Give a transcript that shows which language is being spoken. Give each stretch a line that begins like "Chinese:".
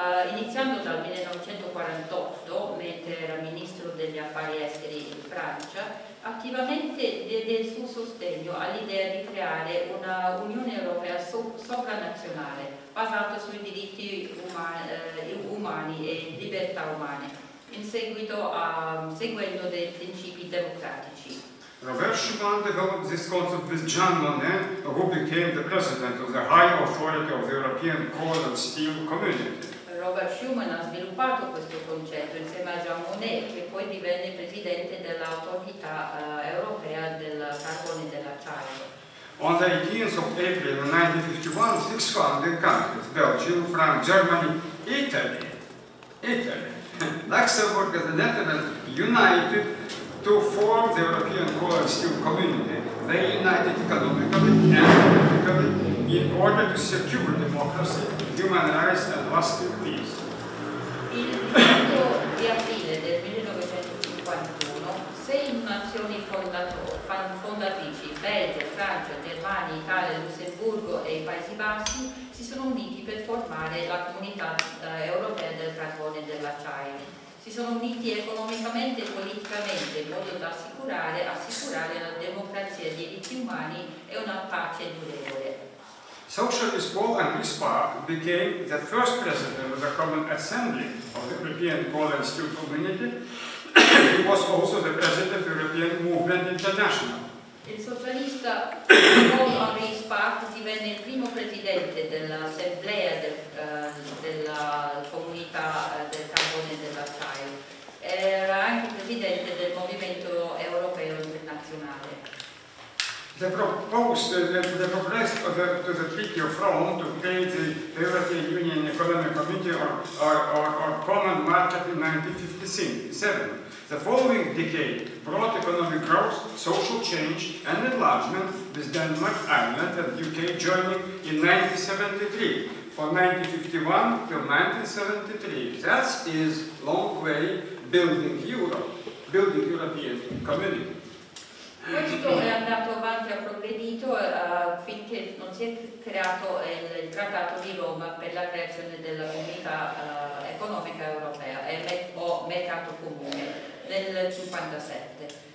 Italian: Iniziando dal 1948, mentre era ministro degli affari esteri in Francia, attivamente diede il suo sostegno all'idea di creare una Unione Europea sovranazionale basata sui diritti umani e libertà umane, seguendo dei principi democratici.
English: Robert Schuman developed this concept with Jean Monnet, who became the president of the High Authority of the European Coal and Steel Community.
Italian: Robert Schuman ha sviluppato questo concetto insieme a Jean Monnet, che poi divenne presidente dell'autorità europea del carbone e dell'acciaio.
English: On the 18th of April 1951, six founding countries, Belgium, France, Germany, Italy, Luxembourg and the Netherlands united to form the European Coal and Steel Community. They united economically and politically in order to secure democracy, human rights and lasting peace.
Italian: Il 18 di aprile del 1951, sei nazioni fondatrici, Belgio, Francia, Germania, Italia, Lussemburgo e i Paesi Bassi, si sono uniti per formare la Comunità Europea del Carbone e dell'Acciaio. Si sono uniti economicamente e politicamente in modo da assicurare la democrazia, i diritti umani e una pace durevole.
English: Socialist Paul-Henri Spaak became the first president of the Common Assembly of the European Coal and Steel Community. He was also the president of the European Movement International.
Italian: Il socialista Paul-Henri Spaak divenne il primo presidente dell'Assemblea della Comunità del Carbone e dell'Acciaio. Era anche presidente del Movimento Europeo Internazionale.
English: The proposed the Treaty of Rome to create the European Union Economic Community or Common Market in 1957. The following decade brought economic growth, social change and enlargement, with Denmark, Ireland and UK joining in 1973, from 1951 till 1973. That is long way building Europe, building European Community.
Italian: Questo è andato avanti, ha progredito finché non si è creato il Trattato di Roma per la creazione della Comunità Economica Europea o Mercato Comune nel 1957.